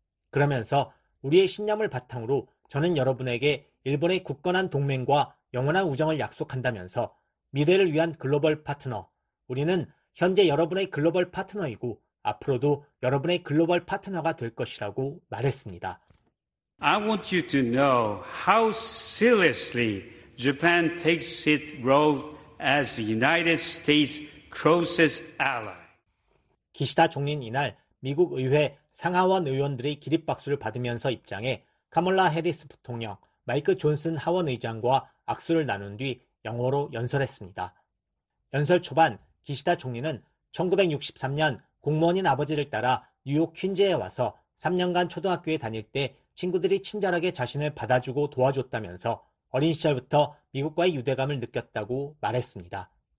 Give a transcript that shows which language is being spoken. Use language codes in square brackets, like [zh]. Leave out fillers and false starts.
[ko] 그러면서 우리의 신념을 바탕으로 저는 여러분에게 일본의 굳건한 동맹과 영원한 우정을 약속한다면서 미래를 위한 글로벌 파트너, 우리는 현재 여러분의 글로벌 파트너이고 앞으로도 여러분의 글로벌 파트너가 될 것이라고 말했습니다. [en] I want you to know how seriously Japan takes its role as the United States' closest ally. [ko] 기시다 총리는 이날 미국 의회 상하원 의원들의 기립박수를 받으면서 입장해 카멀라 해리스 부통령, 마이크 존슨 하원 의장과 악수를 나눈 뒤 영어로 연설했습니다. 연설 초반 기시다 총리는 1963년 공무원인 아버지를 따라 뉴욕 퀸즈에 와서 3년간 초등학교에 다닐 때 친구들이 친절하게 자신을 받아주고 도와줬다면서 어린 시절부터 미국과의 유대감을 느꼈다고 말했습니다.